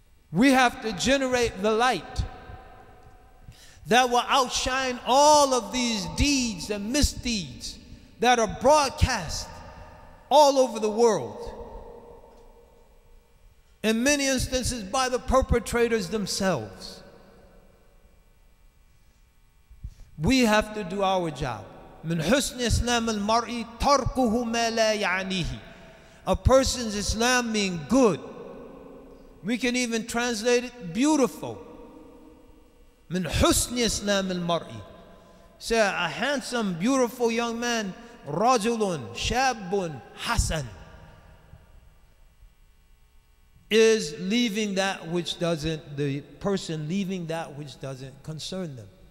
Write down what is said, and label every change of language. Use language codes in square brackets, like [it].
[en] We have to generate the light that will outshine all of these deeds and misdeeds that are broadcast all over the world, in many instances by the perpetrators themselves. We have to do our job. [ar] من حسن إسلام المرء تركه ما لا يعنيه. [en] A person's Islam means good. We can even translate it beautiful. [ar] من حسن إسلام المرء. [en] Say, a handsome, beautiful young man, [ar] رجل شاب حسن, [en] is leaving that which doesn't, the person leaving that which doesn't concern them.